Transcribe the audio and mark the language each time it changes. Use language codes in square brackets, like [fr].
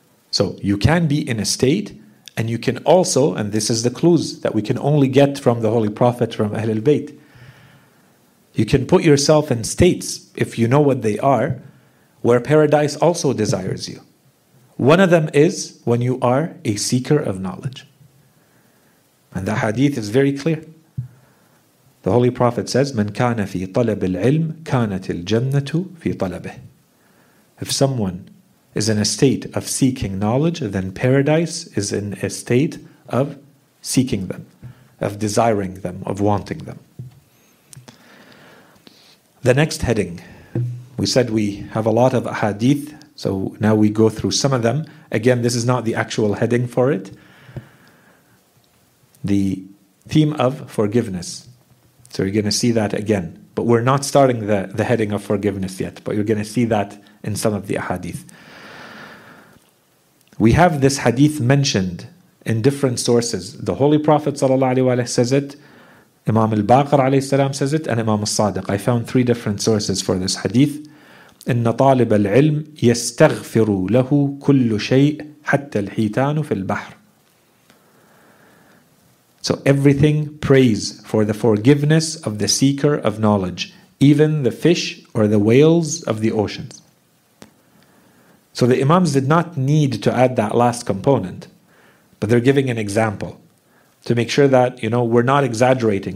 [en] So you can be in a state, and you can also, and this is the clues that we can only get from the Holy Prophet, from Ahlul Bayt, You can put yourself in states, if you know what they are, where paradise also desires you. One of them is when you are a seeker of knowledge. And the hadith is very clear. The Holy Prophet says, [ar] "من كان في طلب العلم كانت الجنة في طلبه." [en] If someone is in a state of seeking knowledge, then paradise is in a state of seeking them, of desiring them, of wanting them. The next heading, we said we have a lot of ahadith, so now we go through some of them. Again, this is not the actual heading for it. The theme of forgiveness. So you're going to see that again. But we're not starting the heading of forgiveness yet, but you're going to see that in some of the ahadith. We have this hadith mentioned in different sources. The Holy Prophet ﷺ says it, Imam al-Baqir ﷺ says it, and Imam al-Sadiq. I found three different sources for this hadith. [ar] إن طالب العلم يستغفر له كل شيء حتى الحيتان في البحر. [en] So everything prays for the forgiveness of the seeker of knowledge, even the fish or the whales of the oceans. So the Imams did not need to add that last component, but they're giving an example to make sure that, you know, we're not exaggerating.